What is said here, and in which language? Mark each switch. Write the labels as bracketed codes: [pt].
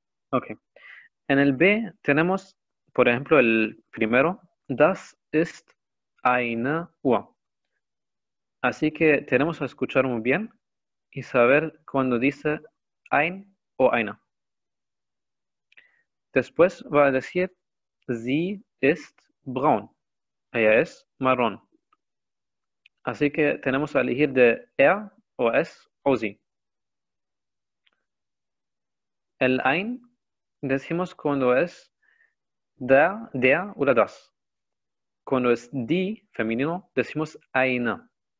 [es] Ok. En el B tenemos, por ejemplo, el primero, [de] Das ist eine Uhr. [es] Así que tenemos que escuchar muy bien y saber cuando dice ein o eine. Después va a decir, [de] sie ist braun. [es] Ella es marrón. Así que tenemos que elegir de er o es o sie. El ein decimos cuando es der o das. Cuando es die, femenino, decimos eine.